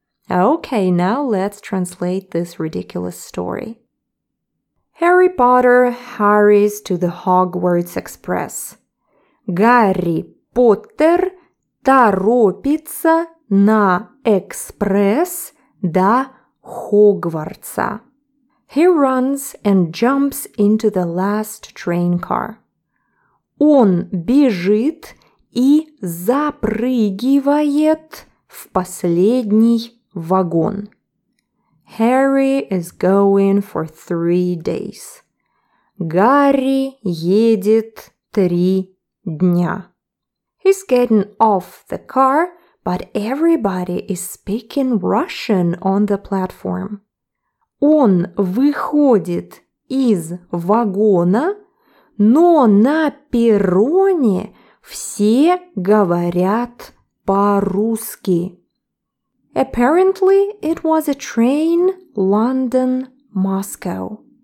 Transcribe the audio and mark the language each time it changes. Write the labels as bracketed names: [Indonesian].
[English] Okay, now let's translate this ridiculous story. Harry Potter hurries to the Hogwarts Express. [Russian] Гарри Поттер торопится на экспресс до Хогвартса. [English] He runs and jumps into the last train car. [Russian] Он бежит и запрыгивает в последний вагон. [English] Harry is going for 3 days. [Russian] Гарри едет 3 дня. [English] He's getting off the car, but everybody is speaking Russian on the platform. [Russian] Он выходит из вагона, но на перроне все говорят по-русски. [English] Apparently, it was a train London-Moscow.